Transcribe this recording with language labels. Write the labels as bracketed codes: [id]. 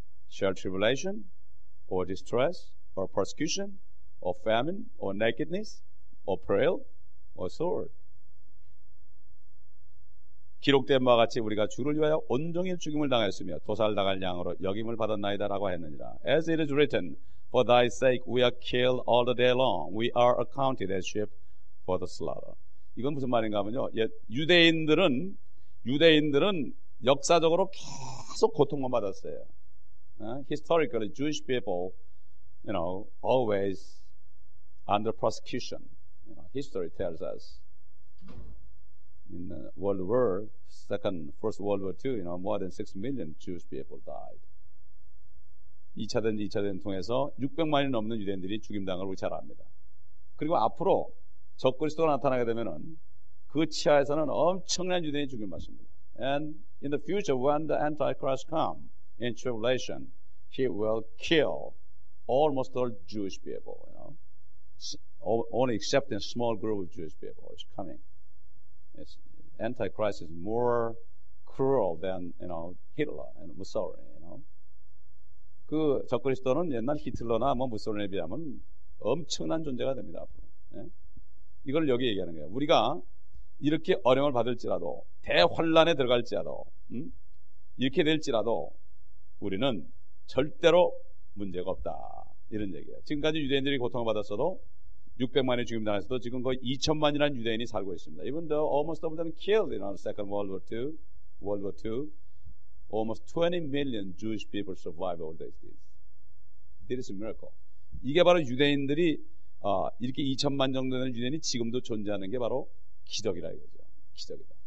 [en] Shall tribulation or distress or persecution or famine or nakedness or peril or sword? [ko] 기록된 바와 같이 우리가 주를 위하여 온종일 죽임을 당하였으며 도살당할 양으로 역임을 받았나이다 라고 했느니라. [en] As it is written, For thy sake we are killed all the day long. We are accounted as sheep for the slaughter. [ko] 이건 무슨 말인가 하면요. 유대인들은 역사적으로 계속 고통을 받았어요. [en] Historically, Jewish people, you know, always under persecution. You know, history tells us. In the World War, First World War II, you know, more than 6 million Jewish people died. [ko] 2차 대전, 2차 대전 통해서 600만이 넘는 유대인들이 죽임당을 우리 잘 압니다. 그리고 앞으로 적그리스도가 나타나게 되면은 그 치하에서는 엄청난 유대인이 죽임을 맞습니다. [en] And in the future, when the Antichrist comes in tribulation, he will kill almost all Jewish people, you know, only excepting a small group of Jewish people is coming. Antichrist is more cruel than, you know, Hitler and Mussolini, you know. [ko] 그 적그리스도는 옛날 히틀러나 뭐 무솔리니에 비하면 엄청난 존재가 됩니다, 앞으로. 예? 이걸 여기 얘기하는 거예요. 우리가 이렇게 어려움을 받을지라도, 대환란에 들어갈지라도, 이렇게 될지라도 우리는 절대로 문제가 없다. 이런 얘기예요. 지금까지 유대인들이 고통을 받았어도 600만이 죽임당했어도 지금 거의 2천만이라는 유대인이 살고 있습니다. [en] Even though almost all of them killed in the Second World War II, almost 20 million Jewish people survived all these days. This is a miracle. [ko] 이게 바로 유대인들이 이렇게 2천만 정도 되는 유대인이 지금도 존재하는 게 바로 기적이라 이거죠. 기적이다.